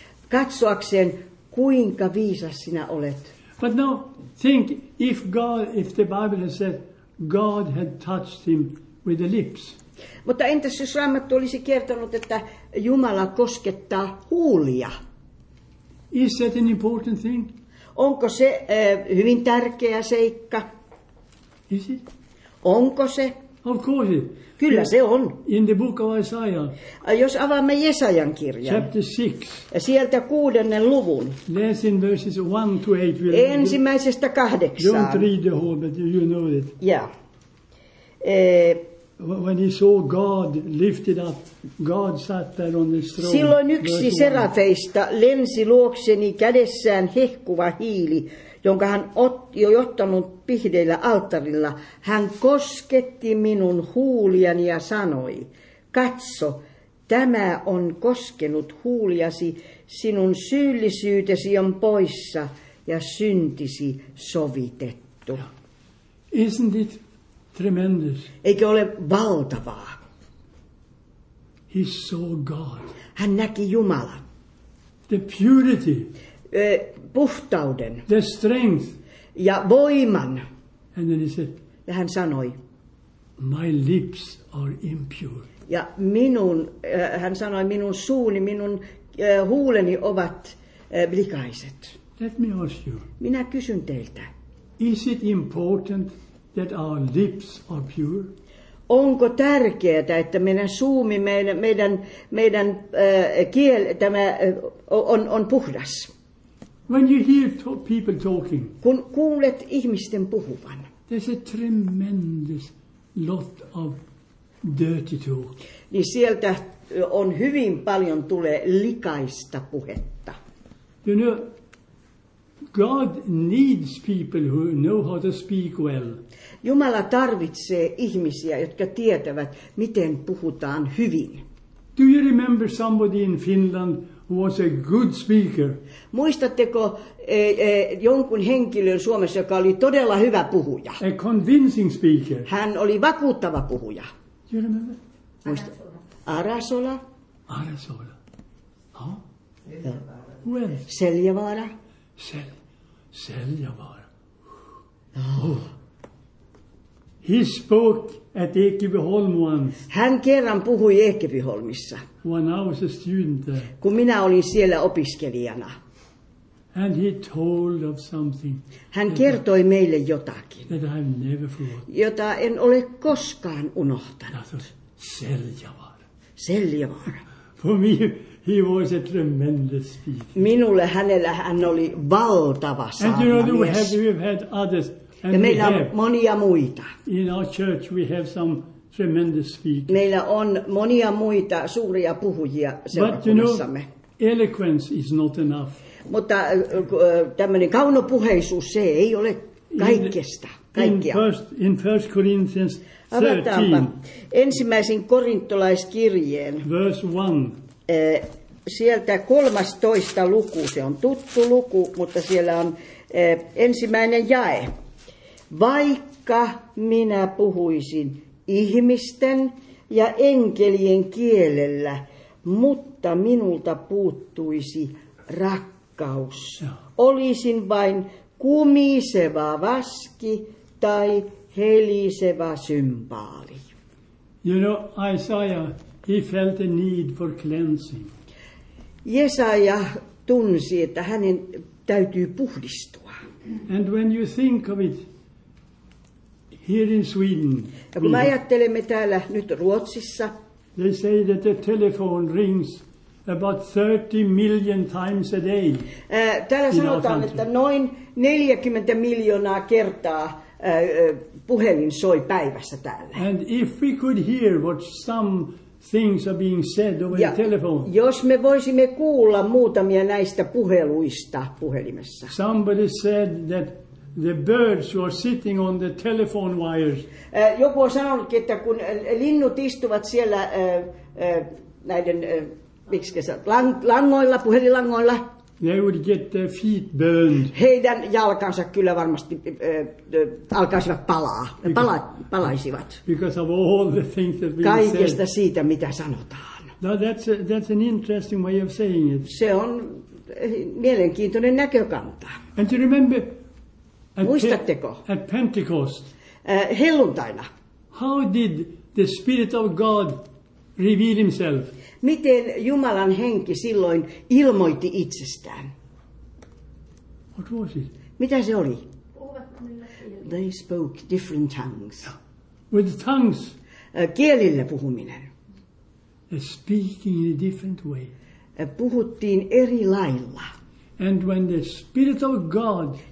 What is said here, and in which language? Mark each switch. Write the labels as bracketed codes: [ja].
[fi] Katsoakseen, kuinka viisas sinä olet. [en] But now think if God, if the Bible said God had touched him with the lips. [fi] Mutta entäs jos Raamattu olisi kertonut, että Jumala koskettaa huulia? [en] Is that an important thing? [fi] Onko se hyvin tärkeä seikka? [en] Is it? [fi] Onko se? [en] Of course. [fi] Kyllä se on. [en] In the book of Isaiah. [fi] Jos avaamme Jesajan kirjan. [en] Chapter 6. [fi] Ja sieltä 6. luvun. [en] Let's in verses 1 to 8. We'll [fi] ensimmäisestä 8. [en] Don't read the whole, but you know it. Yeah. When he saw God lifted up, God sat there on his throne. [fi] Silloin yksi serafeista lensi luokseni kädessään hehkuva hiili, jonka hän otti jo ottanut pihdeillä alttarilla. Hän kosketti minun huuliani ja sanoi, katso, tämä on koskenut huuliasi, sinun syyllisyytesi on poissa ja syntisi sovitettu. [en] Isn't it tremendous? [fi] Eikö ole valtavaa? [en] He saw God. [fi] Hän näki Jumalan. [en] The purity. [fi] Puhtauden. [en] The strength. [fi] Ja voiman. [en] And then he said, [fi] ja hän sanoi, [en] my lips are impure. [fi] Ja minun, hän sanoi, minun suuni, minun huuleni ovat likaiset. [en] Let me ask you. [fi] Minä kysyn teiltä. [en] Is it important that our lips are pure? [fi] Onko tärkeää, että meidän suumi, meidän kiel, tämä on puhdas? [en] When you hear people talking, [fi] kun kuulet ihmisten puhuvan, [en] there's a tremendous lot of dirty talk. [fi] Niin sieltä on hyvin paljon tulee likaista puhetta. [en] You know, God needs people who know how to speak well. [fi] Jumala tarvitsee ihmisiä, jotka tietävät, miten puhutaan hyvin. [en] Do you remember somebody in Finland who was a good speaker? [fi] Muistatteko jonkun henkilön Suomessa, joka oli todella hyvä puhuja? [en] A convincing speaker. [fi] Hän oli vakuuttava puhuja. [en] Do you remember? Arasola. Arasola. Huh? Seljavaara. Well. Seljavaara. Seljavaara. Oh. He spoke at Ekebyholm once. [fi] Hän kerran puhui Ekebyholmissa. [en] When I was a student there. [fi] Kun minä olin siellä opiskelijana. [en] And he told of something. [fi] Hän kertoi meille jotakin. [en] That I've never forgotten. [fi] Jota en ole koskaan unohtanut. [en] Seljavaara. [fi] Seljavaara. [en] For me, he was a tremendous speaker. [fi] Minulle hänellä hän oli valtava saarnamies. [en] And you know, we've had others. [fi] Ja meillä on monia muita. [en] In our church we have some tremendous speakers. [fi] Meillä on monia muita suuria puhujia seurakunnassamme. [en] But you know, eloquence is not enough. [fi] Mutta tämmöinen kaunopuheisuus, se ei ole kaikesta, kaikkia. [en] In first Corinthians 13. [fi] Ensimmäisen korintolaiskirjeen. [en] Verse 1. [fi] Sieltä 13. luku, se on tuttu luku, mutta siellä on ensimmäinen jae. Vaikka minä puhuisin ihmisten ja enkelien kielellä, mutta minulta puuttuisi rakkaus. Olisin vain kumiseva vaski tai helisevä symbaali. [en] You know, Isaiah, he felt a need for cleansing. [fi] Jesaja tunsi, että hänen täytyy puhdistua. [en] And when you think of it, here in Sweden. [fi] Ja kun me ajattelemme täällä nyt Ruotsissa. [en] They say that the telephone rings about 30 million times a day. [fi] Täällä sanotaan, että noin 40 miljoonaa kertaa puhelin soi päivässä täällä. [en] And if we could hear what some things are being said over the telephone. [fi] Jos me voisimme kuulla muutamia näistä puheluista puhelimessa. [en] Somebody said that the birds who are sitting on the telephone wires. [fi] Joku on sanonut, että kun linnut istuvat siellä näiden langoilla, puhelilangoilla. [en] They would get their feet burned. [fi] Heidän jalkansa kyllä varmasti alkaisivat palaa. Palaisivat. [en] Because of all the things that we said. [fi] Kaikesta siitä, mitä sanotaan. [en] Now that's an interesting way of saying it. [fi] Se on mielenkiintoinen näkökanta. [en] And you remember? [fi] Muistatteko? [en] At Pentecost. [fi] Helluntaina. [en] How did the Spirit of God reveal himself? [fi] Miten Jumalan henki silloin ilmoitti itsestään? [en] What was it? [fi] Mitä se oli? [en] They spoke different tongues. With tongues. [fi] Kielillä puhuminen. [en] They're speaking in a different way. [fi] Puhuttiin eri lailla. [en] And when the Spirit of God